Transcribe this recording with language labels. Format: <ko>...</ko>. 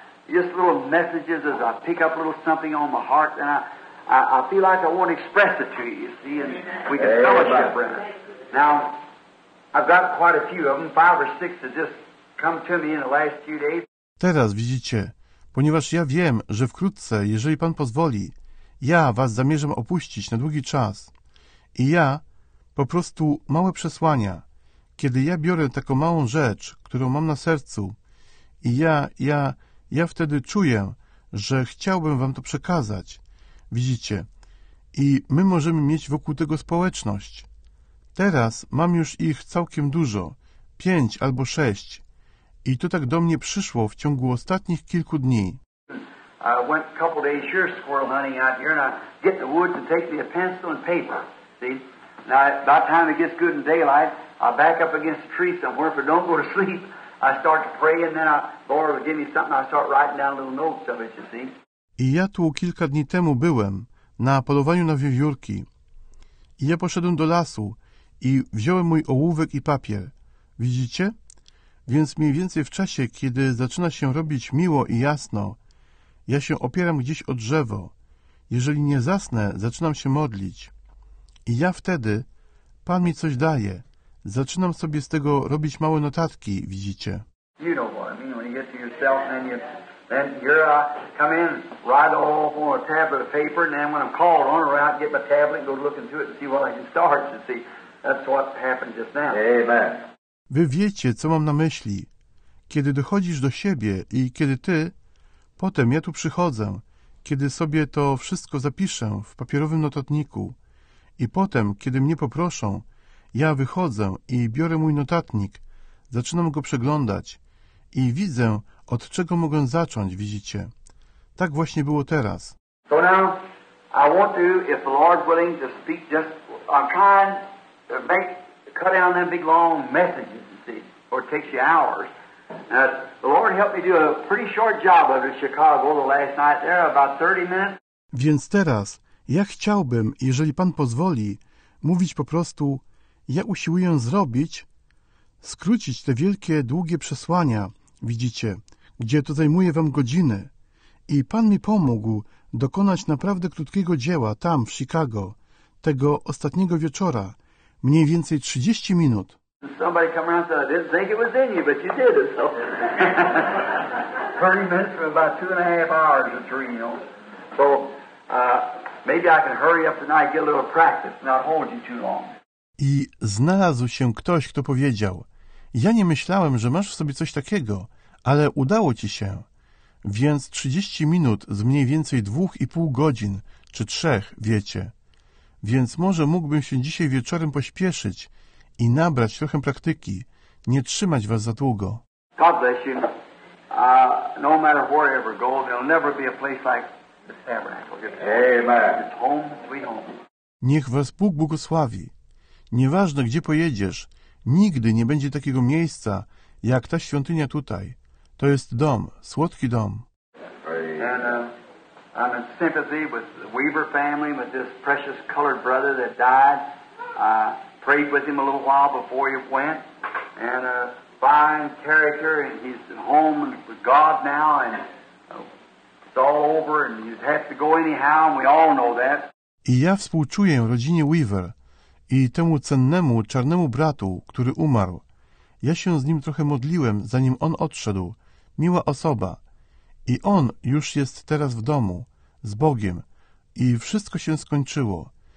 <en>Just little messages as I pick up a little something on my heart, and I feel like I want to express it to you, you see, and we can fellowship around it. Now, I've got quite a few of them, five or six have just come to me in the last few days.</en> <pl>Teraz widzicie, ponieważ ja wiem, że wkrótce, jeżeli Pan pozwoli, ja Was zamierzam opuścić na długi czas. I ja, po prostu małe przesłania, kiedy ja biorę taką małą rzecz, którą mam na sercu, i ja wtedy czuję, że chciałbym wam to przekazać. Widzicie? I my możemy mieć wokół tego społeczność. Teraz mam już ich całkiem dużo. 5 albo 6. I to tak do mnie przyszło w ciągu ostatnich kilku dni.</pl> <en>I went a couple days here squirrel hunting out here and I get the woods and take me a pencil and paper. See? Now, by the time it gets good in daylight, I back up against a tree somewhere, but don't go to sleep. I start to pray and then the Lord will give me something. I start writing down little notes of it, you see.</en> <pl>I ja tu kilka dni temu byłem na polowaniu na wiewiórki. I ja poszedłem do lasu i wziąłem mój ołówek i papier. Widzicie? Więc mniej więcej w czasie, kiedy zaczyna się robić miło i jasno, ja się opieram gdzieś o drzewo. Jeżeli nie zasnę, zaczynam się modlić. I ja wtedy, Pan mi coś daje. Zaczynam sobie z tego robić małe notatki, widzicie.</pl> <en>You know what I mean, when you get to yourself, then you're, come in, write all on a tablet of paper, and then when I'm called on, I'll out, get my tablet, go look into it and see what I can start, you see. That's what happened just now. Amen.</en> <pl>Wy wiecie, co mam na myśli. Kiedy dochodzisz do siebie i kiedy ty, potem ja tu przychodzę, kiedy sobie to wszystko zapiszę w papierowym notatniku i potem, kiedy mnie poproszą, ja wychodzę i biorę mój notatnik, zaczynam go przeglądać i widzę, od czego mogę zacząć, widzicie. Tak właśnie było teraz.</pl> <en>So now, I want to, if the Lord's willing to speak, just I'm trying to make, cut down them big long messages, you see, or it takes you hours. Now, the Lord helped me do a pretty short job of it in Chicago the last night there, about 30 minutes.</en> <pl>Więc teraz, ja chciałbym, jeżeli Pan pozwoli, mówić po prostu, ja usiłuję zrobić, skrócić te wielkie, długie przesłania, widzicie, gdzie to zajmuje wam godziny. I Pan mi pomógł dokonać naprawdę krótkiego dzieła tam, w Chicago, tego ostatniego wieczora, mniej więcej 30 minut.</pl> <en>Somebody come around and said, I didn't think it was in you, but you did it, so. 30 minutes from about 2.5 hours of dreaming, you know. So, maybe I can hurry up tonight, get a little practice, not hold you too long.</en> <pl>I znalazł się ktoś, kto powiedział, ja nie myślałem, że masz w sobie coś takiego, ale udało ci się. Więc 30 minut z mniej więcej 2,5 godzin, czy 3, wiecie. Więc może mógłbym się dzisiaj wieczorem pośpieszyć i nabrać trochę praktyki, nie trzymać was za długo.</pl> <en>God bless you. No matter where ever go, there'll never be a place like this tabernacle. Amen. It's home, sweet home.</en> <pl>Niech was Bóg błogosławi. Nieważne, gdzie pojedziesz, nigdy nie będzie takiego miejsca, jak ta świątynia tutaj. To jest dom, słodki dom.</pl> <en>And, I'm in sympathy with the Weaver family, with this precious colored brother that died. I prayed with him a little while before he went. And fine character, and he's at home with God now, and it's all over, and he's had to go anyhow, and we all know that.</en> <pl>I ja współczuję rodzinie Weaver i temu cennemu czarnemu bratu, który umarł. Ja się z nim trochę modliłem, zanim on odszedł. Miła osoba. I on już jest teraz w domu, z Bogiem. I wszystko się skończyło.</pl>